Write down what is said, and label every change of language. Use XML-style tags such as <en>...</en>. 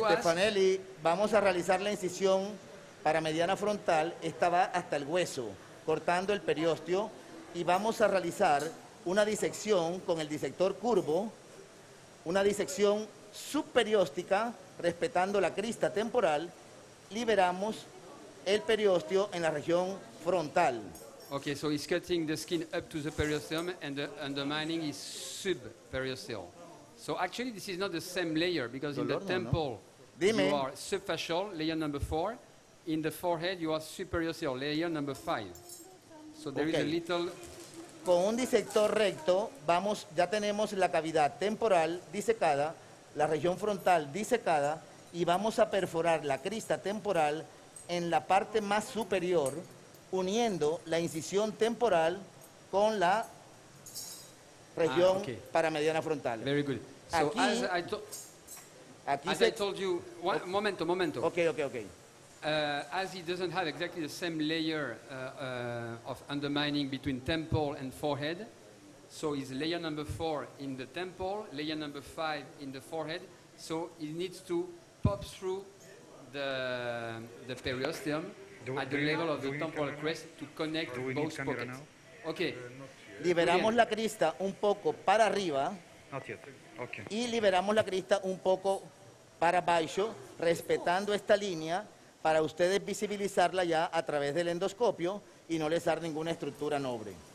<es>Stefanelli, vamos a realizar la incisión para mediana frontal, esta va hasta el hueso, cortando el periósteo, y vamos a realizar una disección con el disector curvo, una disección subperióstica, respetando la crista temporal, liberamos el periósteo en la región frontal.</es> <en>Ok, so he's cutting the skin up to the periosteum and the undermining is subperiosteal. So actually, this is not the same layer because</en> <es>dolor,</es> <en>in the temple no. You are subfascial layer number 4, in the forehead you are superiosteal layer number 5. So there okay is a little.</en> <es>Con un disector recto vamos, ya tenemos la cavidad temporal disecada, la región frontal disecada, y vamos a perforar la crista temporal en la parte más superior, uniendo la incisión temporal con la región</es> <en>okay</en> <es>para mediana frontal.</es> <en>Very good. So</en> <es>aquí,</es> <en>as I,</en> <es>aquí</es> <en>as I told you, one, okay,</en> <es>momento, momento.</es> <en>Okay. As he doesn't have exactly the same layer of undermining between temple and forehead, so his layer number 4 in the temple, layer number 5 in the forehead, so he needs to pop through the periosteum at the level of the temporal crest to connect both pockets. Okay.</en> <es>Liberamos la crista un poco para arriba</es> <en>okay</en> <es>y liberamos la crista un poco para abajo, respetando esta línea para ustedes visibilizarla ya a través del endoscopio y no les dar ninguna estructura noble.</es>